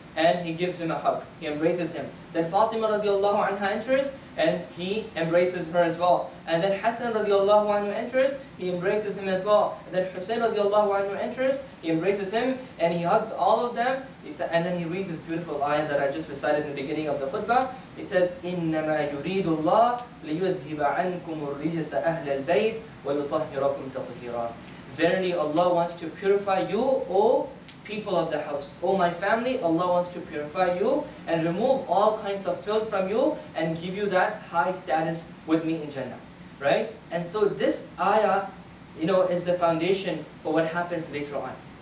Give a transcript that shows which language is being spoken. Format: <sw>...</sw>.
<en>and he gives him a hug. He embraces him. Then Fatima radiallahu anha enters, and he embraces her as well. And then Hassan radiallahu anhu enters, he embraces him as well. And then Hussein radiallahu anhu enters, he embraces him, and he hugs all of them. And then he reads this beautiful ayah that I just recited in the beginning of the khutbah. He says,</en> <ar>إِنَّمَا يُرِيدُ اللَّهُ لِيُذْهِبَ عَنْكُمُ الرِّجْسَ أَهْلَ الْبَيْتِ وَيُطَهِّرَكُمْ تَطْهِيرًا.</ar> <en>Verily, Allah wants to purify you, O people of the house. O my family, Allah wants to purify you and remove all kinds of filth from you and give you that high status with me in Jannah. Right? And so this ayah, you know, is the foundation for what happens later on.</en>